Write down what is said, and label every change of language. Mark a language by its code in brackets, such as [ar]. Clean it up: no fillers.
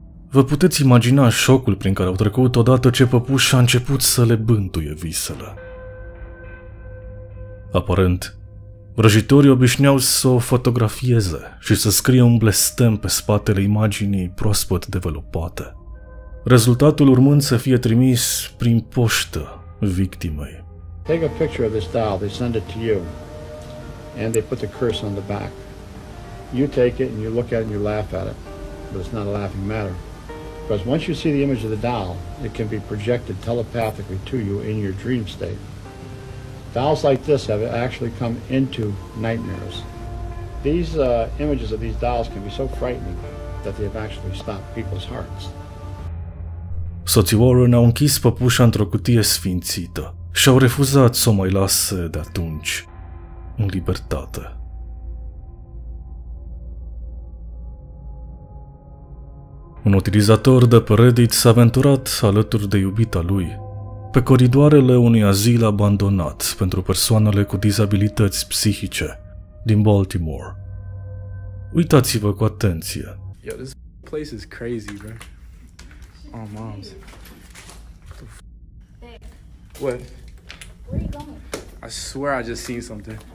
[ro] Vă puteți imagina șocul prin care au trecut odată ce păpușa a început să le bântuie visele. Aparent, vrăjitorii obișnuiau să o fotografieze și să scrie un blestem pe spatele imaginii proaspăt developate, rezultatul urmând să fie trimis prin poștă victimei. [en] Take a picture of this doll, they send it to you, and they put the curse on the back. You take it and you look at it and you laugh at it, but it's not a laughing matter. Because once you see the image of the doll, it can be projected telepathically to you in your dream state. Dolls like this have actually come into nightmares. These images of these dolls can be so frightening that they have actually stopped people's hearts. [ro] Soții Warren au închis păpușa într-o cutie sfințită și au refuzat să o mai lase de atunci în libertate. Un utilizator de pe Reddit s-a aventurat alături de iubita lui pe coridoarele unui azil abandonat pentru persoanele cu dizabilități psihice din Baltimore. Uitați-vă cu atenție. [en] Yo, this place is crazy, bro. Oh, moms. What? Where are you going? I swear I just seen something.